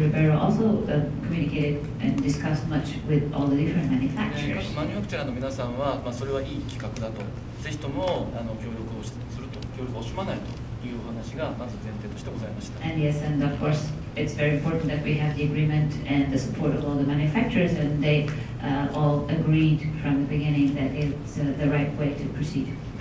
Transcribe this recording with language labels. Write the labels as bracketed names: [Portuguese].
[English] Rivera also communicated and discussed much with all the different manufacturers. [Japanese] マニュアクチャーの皆さんは、まあ、それはいい企画だと、ぜひともあの協力をすると、協力を惜しまないというお話がまず前提としてございました。 [English] And yes, and of course, it's very important that we have the agreement and the support of all the manufacturers, and they all agreed from the beginning that it's the right way to proceed.